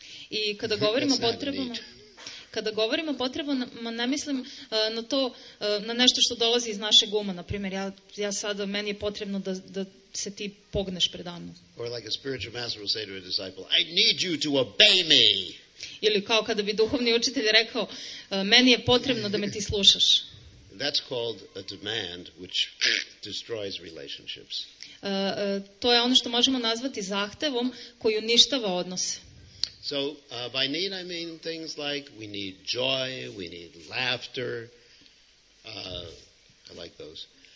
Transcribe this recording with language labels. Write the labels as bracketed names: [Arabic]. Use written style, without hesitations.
[Serbian] I kada govorimo o potrebama, Kada govorim o potrebama, ne mislim na to, na nešto što dolazi iz našeg uma, na primjer, ja sada, meni je potrebno da se ti pogneš predamno. [English] Or like a spiritual master will say to a disciple, I need you to obey me. [Serbian] Ili kao kada bi duhovni učitelj rekao, meni je potrebno da me ti slušaš. [English] That's called a demand which destroys relationships. [Serbian] To je ono što možemo nazvati zahtevom koji uništava odnose. [English] So, by need I mean things like we need joy, we need laughter, I like those.